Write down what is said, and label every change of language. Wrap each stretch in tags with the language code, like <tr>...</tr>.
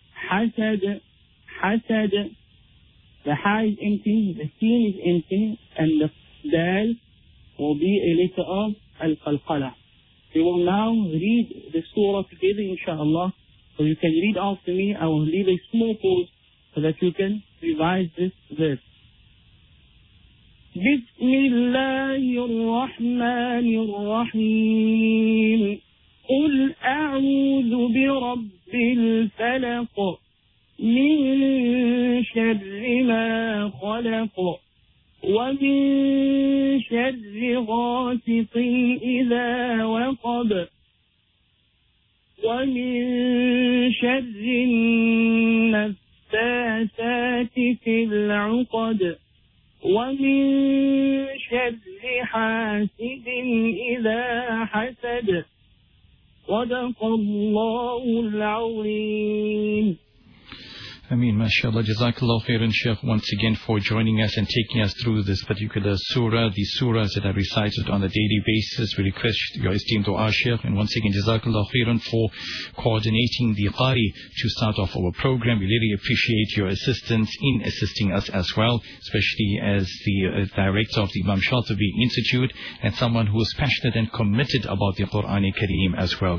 <en>حَسَد, حَسَد. The ha is empty, the sin is empty, and the dal will be a letter of al-qalqala. We will now read the surah together, inshaAllah. So you can read after me. I will leave a small pause so that you can revise this verse.</en> <ar>بسم الله الرحمن الرحيم. قل أعوذ برب الفلق من شر ما خلق ومن شر غاسق إذا وقب ومن شر النفاثات في العقد ومن شر حاسد إذا حسد صدق الله العظيم.</ar> <en>Ameen, mashallah. Jazakallah khairan, Sheikh, once again for joining us and taking us through this particular surah, the surahs that are recited on a daily basis. We request your esteemed dua, Sheikh. And once again, Jazakallah khairan for coordinating the Qari to start off our program. We really appreciate your assistance in assisting us as well, especially as the director of the Imam Shatibi Institute and someone who is passionate and committed about the Qur'an al-Kareem as well.</en>